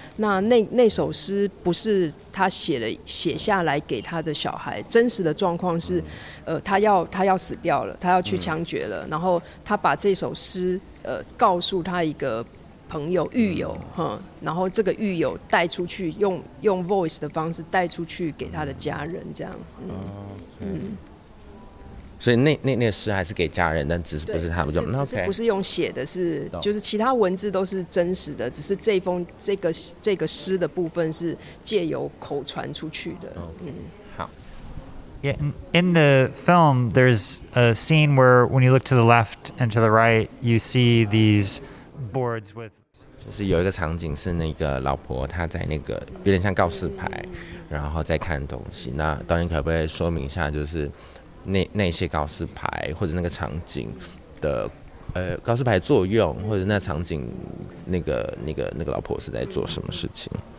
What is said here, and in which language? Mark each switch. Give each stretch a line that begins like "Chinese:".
Chinese: 那首诗不是他写下来给他的小孩，真实的状况是他要死掉了，他要去枪决了，然后他把这首诗告诉他一个朋友狱友，然后这个狱友带出去，用 voice 的方式带出去给他的家人这样。所以那个诗还是给家人，但只是不是他们用，只是不是用写的，是就是其他文字都是真实的，只是这封这个诗的部分是借由口传出去的。
English: Yeah, in the film, there's a scene where when you look to the left and to the right, you see these boards with.
Chinese: 就是有一个场景是那个老婆她在那个有点像告示牌，然后在看东西。那导演可不可以说明一下，就是那些告示牌或者那个场景的告示牌作用，或者那场景那个老婆是在做什么事情？